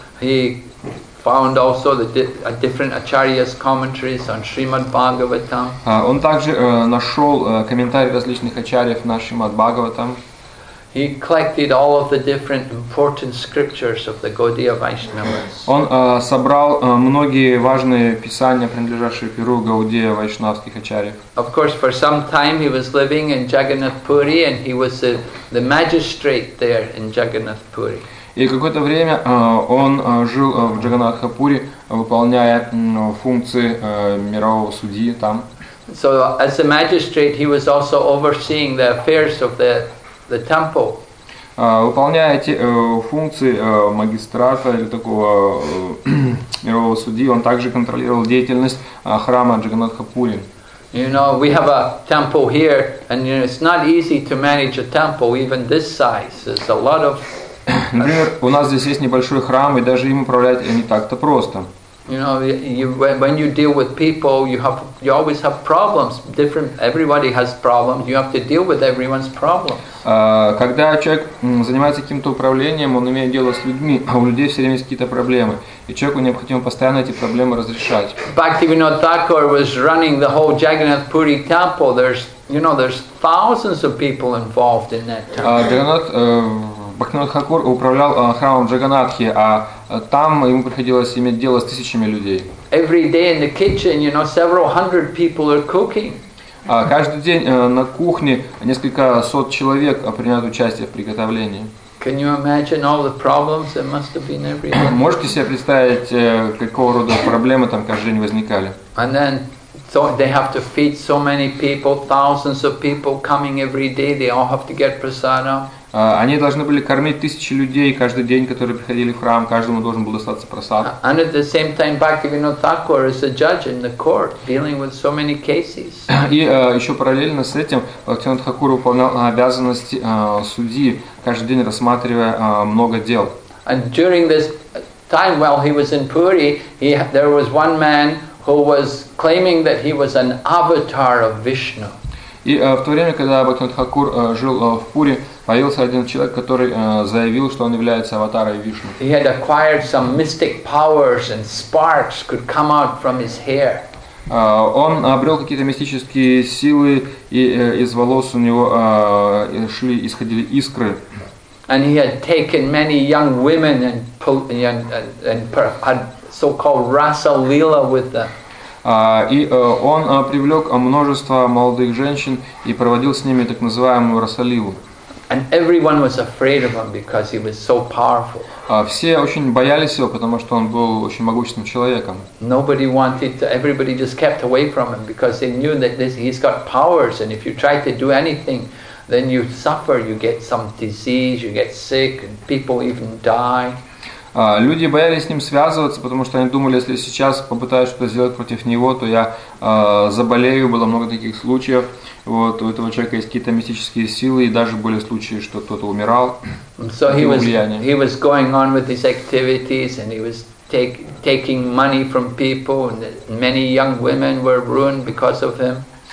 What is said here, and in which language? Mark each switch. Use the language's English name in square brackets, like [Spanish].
[English] He found also the different acharyas commentaries on Srimad Bhagavatam. [Russian] Он также нашел комментарии различных ачарьев на Шримад Бхагаватам. [English] He collected all of the different important scriptures of the Gaudiya Vaishnavas. [Russian] Он собрал многие важные писания, принадлежащие перу Гаудия Вайшнавских ачарьев. [English] Of course, for some time he was living in Jagannath Puri, and he was the magistrate there in Jagannath Puri. [Russian] И какое-то время он жил в Джаганнатхапури, выполняя функции мирового судьи там. [English] So as a magistrate, he was also overseeing the affairs of the temple. [Russian] Выполняя эти функции магистрата или такого мирового судьи, он также контролировал деятельность храма Джаганнатхапури. [English] You know, we have a temple here, and you know, it's not easy to manage a temple even this size. It's a lot of. [Russian] Например, у нас здесь есть небольшой храм, и даже им управлять не так-то просто. [English] You know, when you deal with people, you always have problems. Different, everybody has problems. You have to deal with everyone's problems. [Russian] Когда человек занимается каким-то управлением, он имеет дело с людьми, а у людей все время есть какие-то проблемы, и человеку необходимо постоянно эти проблемы разрешать. [English] Bhaktivinoda Thakur was running the whole Jagannath Puri temple. There's thousands of people involved in that temple. [Russian] Бхактинода Хакур управлял храмом Джаганатхи, а там ему приходилось иметь дело с тысячами людей. [English] Every day in the kitchen, you know, several hundred people are cooking. [Russian] Каждый день на кухне несколько сот человек принимают участие в приготовлении. [English] Can you imagine all the problems that must have been every day? [Russian] Можете себе представить, какого рода проблемы там каждый день возникали? [English] And then, so they have to feed so many people, thousands of people coming every day. They all have to get prasadam. [Russian] Они должны были кормить тысячи людей каждый день, которые приходили в храм, каждому должен был достаться просад. [English] And at the same time, Bhaktivinoda Thakur is a judge in the court, dealing with so many cases. [Russian] И еще параллельно с этим Бхактивинода Хакур выполнял обязанности судьи, каждый день рассматривая много дел. [English] And during this time, while he was in Puri, there was one man who was claiming that he was an avatar of Vishnu. [Russian] И в то время, когда Бхактивинода Хакур жил в Пури, появился один человек, который заявил, что он является аватарой Вишну. [English] He had acquired some mystic powers, and sparks could come out from his hair. [Russian] Он обрел какие-то мистические силы, и из волос у него исходили искры. [English] And he had taken many young women and had so-called rasa lila with them. [Russian] И он привлек множество молодых женщин и проводил с ними так называемую расалилу. [English] And everyone was afraid of him because he was so powerful. [Russian] Все очень боялись его, потому что он был очень могущественным человеком. [English] Nobody wanted to, everybody just kept away from him because they knew that he's got powers, and if you try to do anything, then you suffer, you get some disease, you get sick, and people even die. [Russian] Люди боялись с ним связываться, потому что они думали, если сейчас попытаюсь что-то сделать против него, то я заболею. Было много таких случаев. Вот, у этого человека есть какие-то мистические силы, и даже были случаи, что кто-то умирал. [English] So he was going on with his activities, and he was taking money from people, and many young women were ruined because of him.